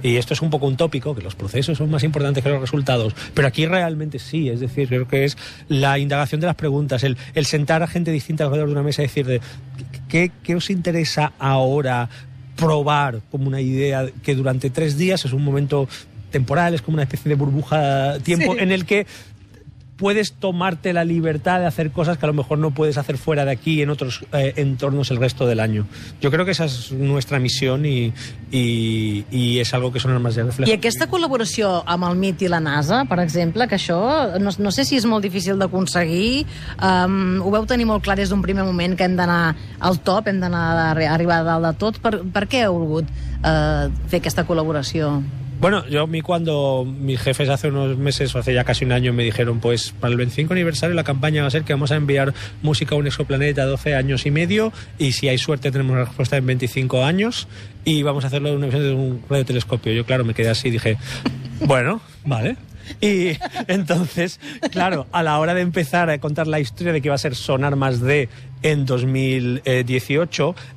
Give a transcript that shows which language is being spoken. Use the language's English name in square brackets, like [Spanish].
[Spanish] Y esto es un poco un tópico, que los procesos son más importantes que los resultados, pero aquí realmente sí, es decir, creo que es la indagación de las preguntas, el sentar a gente distinta alrededor de una mesa y decir, ¿qué os interesa ahora probar como una idea que durante 3 días es un momento temporal, es como una especie de burbuja tiempo en el que puedes tomarte la libertad de hacer cosas que a lo mejor no puedes hacer fuera de aquí en otros entornos el resto del año? Yo creo que esa es nuestra misión y es algo que Sonar Más Allá refleja. [Catalan] I aquesta col·laboració amb el MIT i la NASA, per exemple, que això no sé si és molt difícil d'aconseguir, ho veu tenir molt clar des d'un primer moment que hem d'anar al top, hem d'anar a arribar a dalt de tot. Per què heu volgut fer aquesta col·laboració? [Spanish] Bueno, yo a mí cuando mis jefes hace unos meses o hace ya casi un año me dijeron, pues para el 25 aniversario la campaña va a ser que vamos a enviar música a un exoplaneta 12 años y medio y si hay suerte tenemos la respuesta en 25 años y vamos a hacerlo de una visión de un radiotelescopio. Yo claro, me quedé así y dije, bueno, vale. Y entonces, claro, a la hora de empezar a contar la historia de que iba a ser Sonar Más D en 2018...